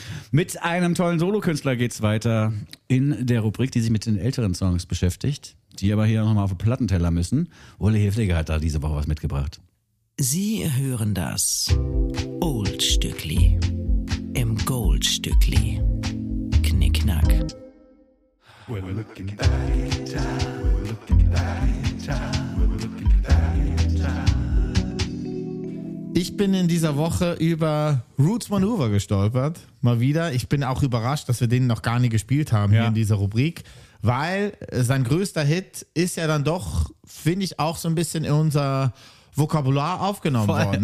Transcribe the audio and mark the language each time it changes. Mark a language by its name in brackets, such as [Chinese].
[German] Mit einem tollen Solokünstler geht es weiter in der Rubrik, die sich mit den älteren Songs beschäftigt, die aber hier nochmal auf den Plattenteller müssen. Uli Hilfiger hat da diese Woche was mitgebracht. Sie hören das Oldstückli im Goldstückli. Knickknack. [English] We're looking back in time, we're looking back in time, we're looking back in time. [German] Ich bin in dieser Woche über Roots Manoeuvre gestolpert, mal wieder. Ich bin auch überrascht, dass wir den noch gar nie gespielt haben hier in dieser Rubrik. Weil sein größter Hit ist ja dann doch, finde ich, auch so ein bisschen in unser Vokabular aufgenommen worden.